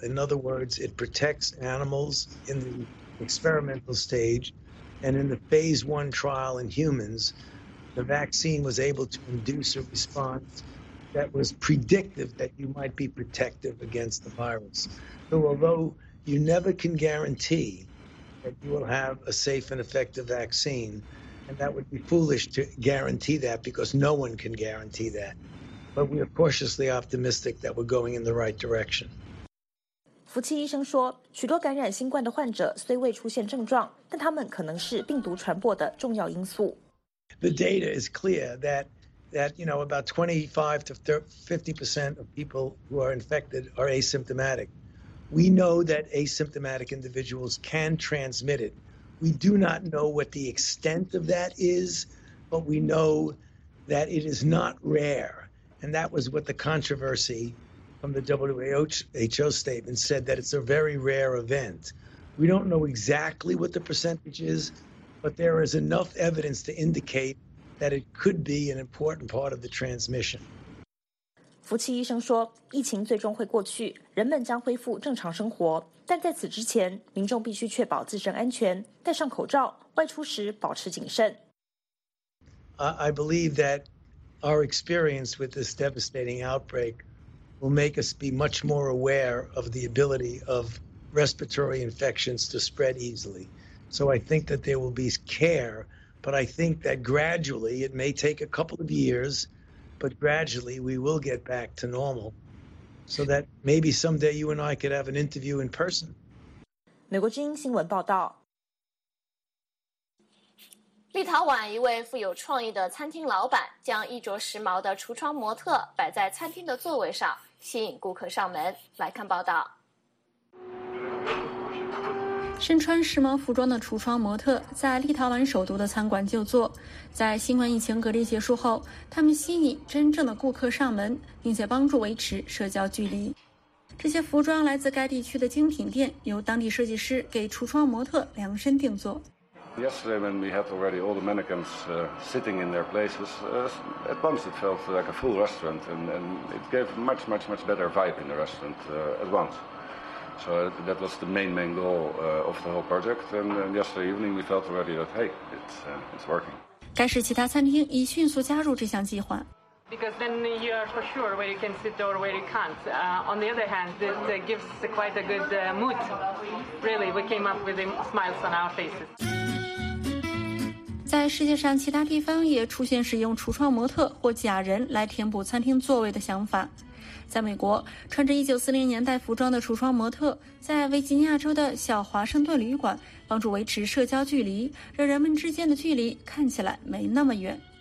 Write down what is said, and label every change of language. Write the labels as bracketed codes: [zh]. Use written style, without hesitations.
[en] In other words, it protects animals in the experimental stage, and in the phase one trial in humans, the vaccine was able to induce a response that was predictive that you might be protective against the virus. So although you never can guarantee that you will have a safe and effective vaccine, and that would be foolish to guarantee that because no one can guarantee that, but we are cautiously optimistic that we're going in the right direction. [zh] 福奇医生说，许多感染新冠的患者虽未出现症状，但他们可能是病毒传播的重要因素。 [en] The data is clear that you know, about 25 to 50% of people who are infected are asymptomatic. We know that asymptomatic individuals can transmit it. We do not know what the extent of that is, but we know that it is not rare. And that was what the controversy from the WHO statement said, that it's a very rare event. We don't know exactly what the percentage is, but there is enough evidence to indicate that it could be an important part of the transmission. [zh] 福奇医生说，疫情最终会过去，人们将恢复正常生活，但在此之前，民众必须确保自身安全，戴上口罩，外出时保持谨慎。 [en] I believe that our experience with this devastating outbreak will make us be much more aware of the ability of respiratory infections to spread easily. So I think that there will be care, but I think that gradually, it may take a couple of years, but gradually we will get back to normal. So that maybe someday you and I could have an interview in person. [zh] 美国之音新闻报道。立陶宛一位富有创意的餐厅老板将衣着时髦的橱窗模特摆在餐厅的座位上，吸引顾客上门。来看报道。身穿时髦服装的橱窗模特在立陶宛首都的餐馆就座，在新冠疫情隔离结束后，他们吸引真正的顾客上门，并且帮助维持社交距离。这些服装来自该地区的精品店，由当地设计师给橱窗模特量身定做。 [en] Yesterday when we had already all the mannequins sitting in their places, at once it felt like a full restaurant and it gave much much much better vibe in the restaurant at once. So that was the main goal of the whole project. And yesterday evening, we felt already that, hey, it's working. [zh] 该市其他餐厅已迅速加入这项计划。 [en] Because then you are for sure where you can sit or where you can't. On the other hand, it gives quite a good mood. Really, we came up with smiles on our faces. [zh] 在世界上其他地方也出现使用橱窗模特或假人来填补餐厅座位的想法。在美国，穿着1940年代服装的橱窗模特在维吉尼亚州的小华盛顿旅馆帮助维持社交距离，让人们之间的距离看起来没那么远。